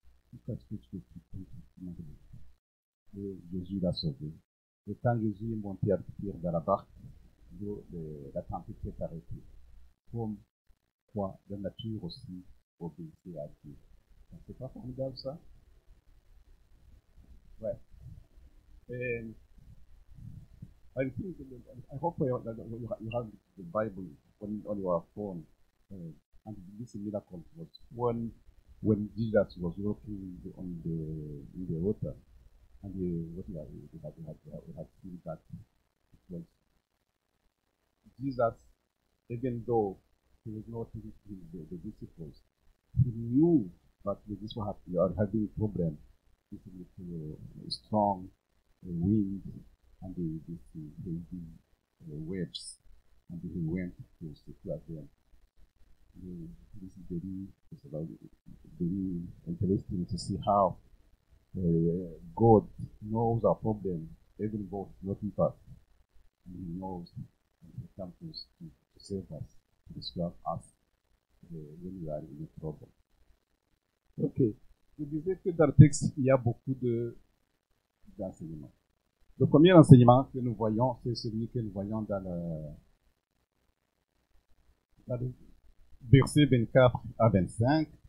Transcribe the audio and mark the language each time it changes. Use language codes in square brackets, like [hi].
[fr] Pourquoi est-ce que tu doutes? Et Jésus l'a sauvé. Et quand Jésus est monté à partir de la barque, la tempête s'est arrêtée. Comme quoi la nature aussi obéissait à Dieu. C'est pas formidable ça? Ouais. [en] And I think I hope you have the Bible on your phone. And this miracle was when Jesus was walking in the water. And we have seen that it was Jesus, even though he was not with the disciples, he knew that this was having a problem with a strong wind and the waves. And he went to secure them. This is very interesting to see how God knows our problem, even though not in fact. He knows and he comes to save us, to describe us when we are in a problem. [fr] Ok, je disais que dans le texte, il y a beaucoup d'enseignements. Le premier enseignement que nous voyons, c'est celui que nous voyons dans le verset 24 à 25.